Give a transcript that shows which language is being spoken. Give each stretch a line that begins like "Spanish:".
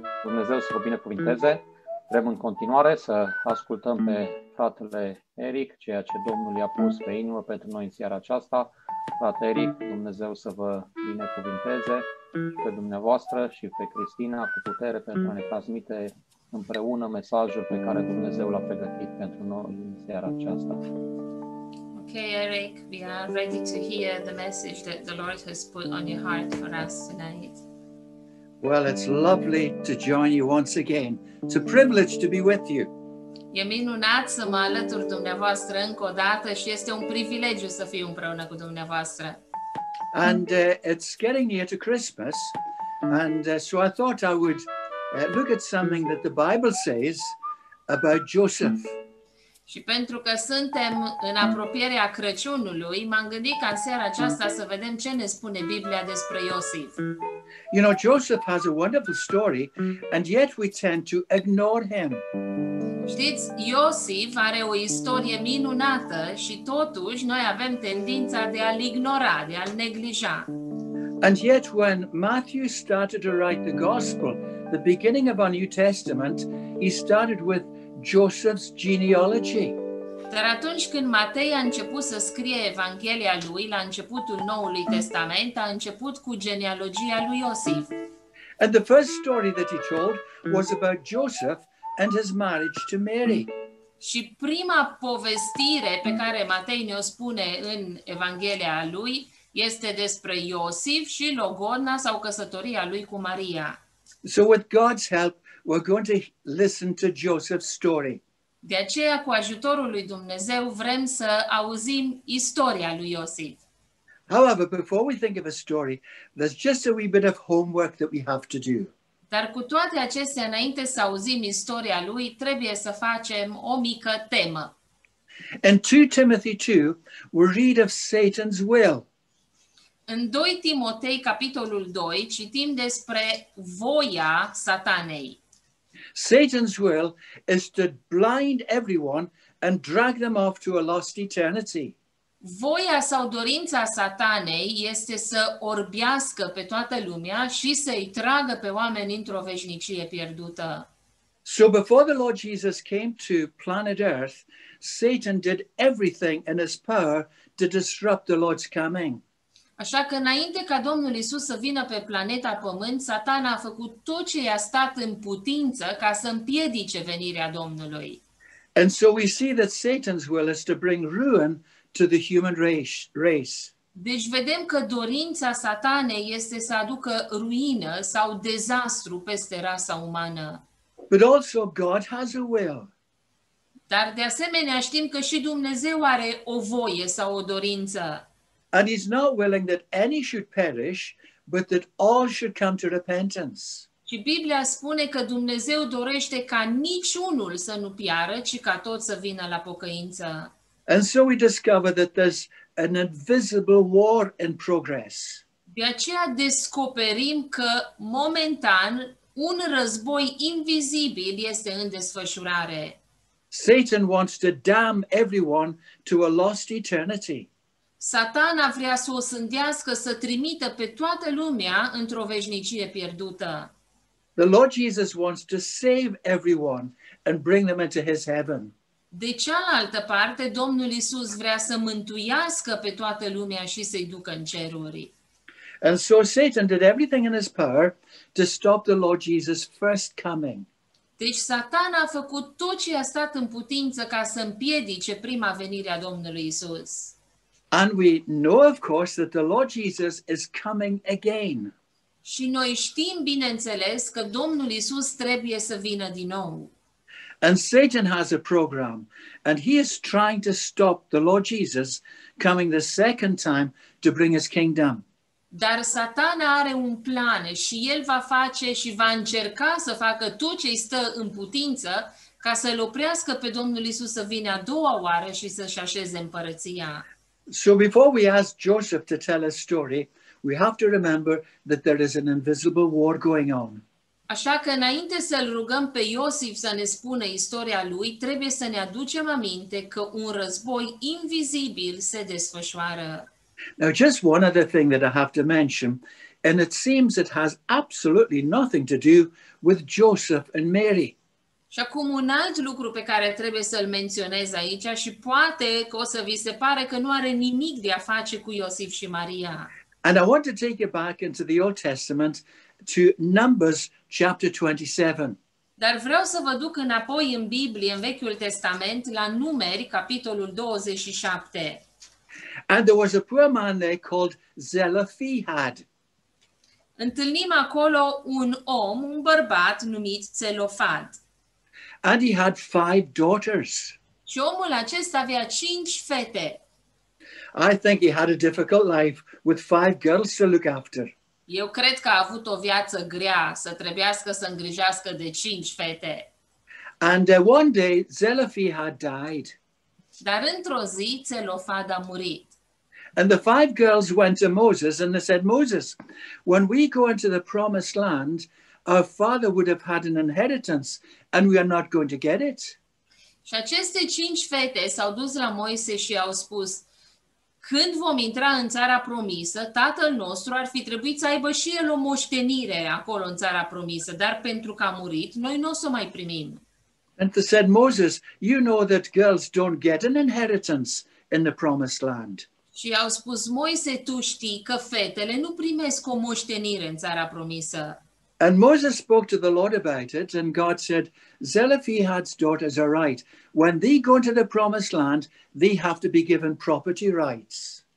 Romanian: Dumnezeu să vă binecuvinteze. Trebuie în continuare să ascultăm pe fratele Eric, ceea ce Domnul i-a pus pe inimă pentru noi în seara aceasta. Frate Eric, Dumnezeu să vă binecuvinteze pe dumneavoastră și pe Cristina cu putere pentru a ne transmite împreună mesajul pe care Dumnezeu l-a pregătit pentru noi în seara aceasta.
English: Okay, Eric, we are ready to hear the message that the Lord has put on your heart for us tonight. Well, it's lovely to join you once again. It's a privilege to be with you.
Romanian: E minunat să mă alătur dumneavoastră încă o dată și este un privilegiu să fiu împreună cu dumneavoastră.
English: And it's getting near to Christmas, and so I thought I would look at something that the Bible says about Joseph.
Romanian: Și pentru că suntem în apropierea Crăciunului, m-am gândit ca în seara aceasta să vedem ce ne spune Biblia despre Iosif.
English: You know, Joseph has a wonderful story, and yet we tend to ignore him.
Romanian: Știți, Iosif are o istorie minunată și totuși noi avem tendința de a-l ignora, de a-l neglija.
English: And yet when Matthew started to write the gospel, the beginning of our New Testament, he started with Joseph's genealogy.
Romanian: Dar atunci când Matei a început să scrie Evanghelia lui, la începutul Noului Testament, a început cu genealogia lui Iosif.
English: And the first story that he told was about Joseph and his marriage to Mary.
Romanian: Și prima povestire pe care Matei ne-o spune în Evanghelia lui este despre Iosif și logodna sau căsătoria lui cu Maria.
English: So with God's help, we're going to listen to Joseph's story.
Romanian: De aceea, cu ajutorul lui Dumnezeu, vrem să auzim istoria lui Iosif.
English: However, before we think of a story, there's just a wee bit of homework that we have to do.
Romanian: Dar cu toate acestea, înainte să auzim istoria lui, trebuie să facem o mică temă.
English: In 2 Timothy 2, we read of Satan's will.
Romanian: În 2 Timotei, capitolul 2, citim despre voia Satanei.
English: Satan's will is to blind everyone and drag them off to a lost eternity.
Romanian: Voia sau dorința Satanei este să orbească pe toată lumea și să-i tragă pe oameni într-o veșnicie pierdută.
English: So before the Lord Jesus came to planet Earth, Satan did everything in his power to disrupt the Lord's coming.
Romanian: Așa că înainte ca Domnul Iisus să vină pe planeta Pământ, Satan a făcut tot ce i-a stat în putință ca să împiedice venirea Domnului.
English: And so we see that Satan's will is to bring ruin to the human race.
Romanian: Deci vedem că dorința Satanei este să aducă ruină sau dezastru peste rasa umană.
English: But also God has a will.
Romanian: Dar de asemenea știm că și Dumnezeu are o voie sau o dorință.
English: And he's not willing that any should perish, but that all should come to repentance.
Romanian: Și Biblia spune că Dumnezeu dorește ca niciunul să nu piară, ci ca tot să vină la pocăință.
English: And so we discover that there's an invisible war in progress.
Romanian: De aceea descoperim că momentan un război invizibil este în desfășurare.
English: Satan wants to damn everyone to a lost eternity.
Romanian: Satana vrea să o sândească, să trimită pe toată lumea într-o veșnicie pierdută.
English: The Lord Jesus wants to save everyone and bring them into his heaven.
Romanian: De cealaltă parte, Domnul Iisus vrea să mântuiască pe toată lumea și să-i ducă în ceruri.
English: And so Satan did everything in his power to stop the Lord Jesus' first coming.
Romanian: Deci Satan a făcut tot ce a stat în putință ca să împiedice prima venire a Domnului Iisus.
English: And we know, of course, that the Lord Jesus is coming again.
Romanian: Și noi știm, bineînțeles, că Domnul Iisus trebuie să vină din nou.
English: And Satan has a program, and he is trying to stop the Lord Jesus coming the second time to bring his kingdom.
Romanian: Dar Satan are un plan și el va face și va încerca să facă tot ce îi stă în putință ca să-l oprească pe Domnul Iisus să vină a doua oară și să-și așeze împărăția.
English: So before we ask Joseph to tell a story, we have to remember that there is an invisible war going on.
Romanian: Așa că înainte să-l rugăm pe Iosif să ne spună istoria lui, trebuie să ne aducem aminte că un război invizibil se desfășoară.
English: Now, just one other thing that I have to mention, and it seems it has absolutely nothing to do with Joseph and Mary.
Romanian: Și acum un alt lucru pe care trebuie să-l menționez aici și poate că o să vi se pare că nu are nimic de a face cu Iosif și Maria.
English: And I want to take you back into the Old Testament to Numbers chapter 27.
Romanian: Dar vreau să vă duc înapoi în Biblie, în Vechiul Testament, la Numeri, capitolul 27.
English: And there was a poor man there called Zelophehad.
Romanian: Întâlnim acolo un om, un bărbat numit Zelofad.
English: And he had five daughters.
Romanian: Și omul acesta avea cinci fete.
English: I think he had a difficult life with five girls to look after.
Romanian: Eu cred că a avut o viață grea, să trebuiască să îngrijească de cinci fete.
English: And one day Zelophehad died.
Romanian: Dar într-o zi Zelofad a murit.
English: And the five girls went to Moses and they said, Moses, when we go into the promised land, our father would have had an inheritance and we are not going to get it.
Romanian: Și aceste cinci fete s-au dus la Moise și au spus, când vom intra în țara promisă, tatăl nostru ar fi trebuit să aibă și el o moștenire acolo în țara promisă, dar pentru că a murit, noi nu o să mai primim.
English: And they said, Moses, you know that girls don't get an inheritance in the promised land.
Romanian: Și au spus, Moise, tu știi că fetele nu primesc o moștenire în țara promisă.
English: And Moses spoke to the Lord about it, and God said, Zelophehad's daughters are right. When they go into the promised land, they have to be given property rights.